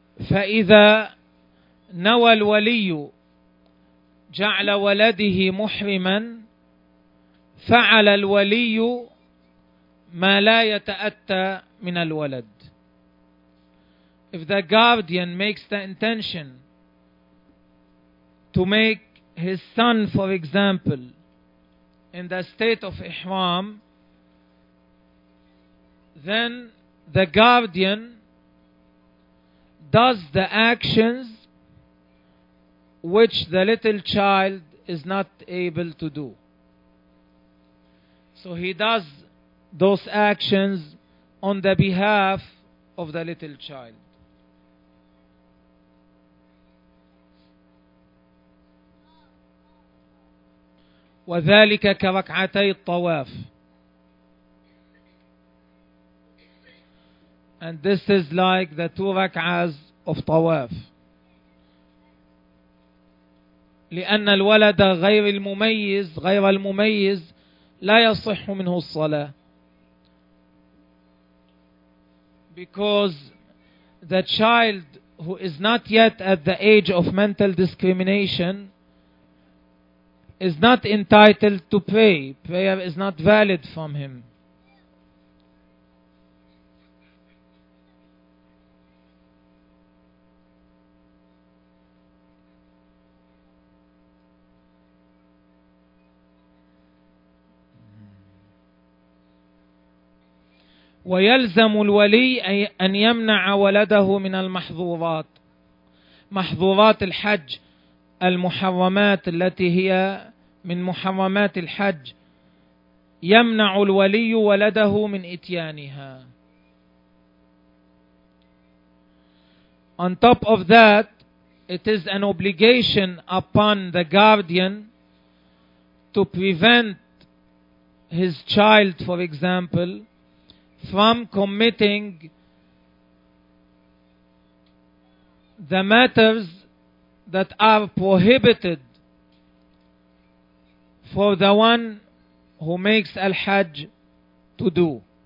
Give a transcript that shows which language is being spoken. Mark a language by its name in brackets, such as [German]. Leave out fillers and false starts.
[Arabic] فإذا نوى الولي جعل ولده محرما فعل الولي ما لا يتأتى من الولد. [English] If the guardian makes the intention to make his son, for example, in the state of Ihram, then the guardian does the actions which the little child is not able to do. So he does those actions on the behalf of the little child. [Arabic] وذلك كركعتي الطواف. [English] And this is like the two rak'ahs of tawaf. [Arabic] لأن الولد غير المميز غير المميز لا يصح منه الصلاة. [English] Because the child who is not yet at the age of mental discrimination is not entitled to pray. Prayer is not valid from him. [Arabic] ويلزم الولي أن يمنع ولده من المحظورات، محظورات الحج، المحرمات التي هي من محرمات الحج، يمنع الولي ولده من إتيانها. [English] On top of that, it is an obligation upon the guardian to prevent his child, for example, from committing the matters that are prohibited for the one who makes al-hajj to do.